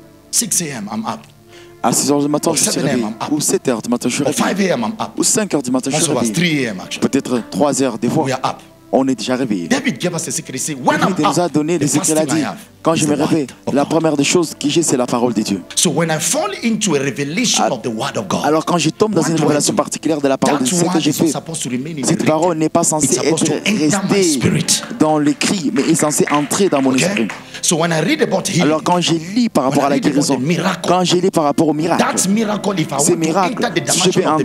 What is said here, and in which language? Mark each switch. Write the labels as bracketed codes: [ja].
[en] 6 a.m. I'm up. [fr] À 6 heures du matin, je suis réveillé. Ou 7 heures du matin, je suis réveillé. [en] Or 5 a.m. I'm up. [fr] Ou 5 heures du matin, je suis réveillé. [en] 3 a.m. actually. [fr] Peut-être 3 heures des fois. [en] We are up. [fr] On est déjà réveillé. [en] David gave us the secret. See, when I'm up, [fr] nous a donné le secret. Il a dit, quand je me réveille, la première des choses que j'ai, c'est la parole de Dieu. [en] So when I fall into a revelation of the word of God. [fr] Alors quand je tombe dans une révélation particulière de la parole de Dieu, c'est que j'ai fait. Cette parole n'est pas censée être restée dans l'écrit, mais est censée entrer dans mon esprit. [en] So when I read about healing, [fr] alors quand je lis par rapport à la guérison, [en] miracle, [fr] quand je lis par rapport au miracle, [en] that miracle, if I [fr] ce miracle, si je vais entrer